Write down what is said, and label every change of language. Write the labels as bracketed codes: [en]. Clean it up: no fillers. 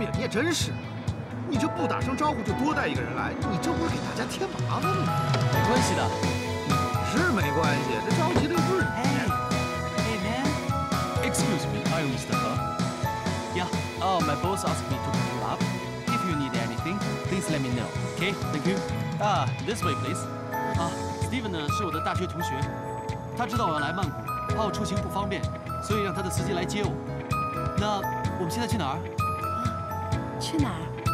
[zh] 真是，你这不打声招呼就多带一个人来，你这不是给大家添麻烦吗？没关系的，是没关系，这着急的不是你。 [en] Hey, hey man, excuse me, I'm Mr. Huh. Yeah, oh, my boss asked me to pick you up. If you need anything, please let me know. Okay, thank you. Ah, this way, please. [zh] Ah, Steven 呢是我的大学同学，他知道我要来曼谷，怕我出行不方便，所以让他的司机来接我。那我们现在去哪儿？去哪儿？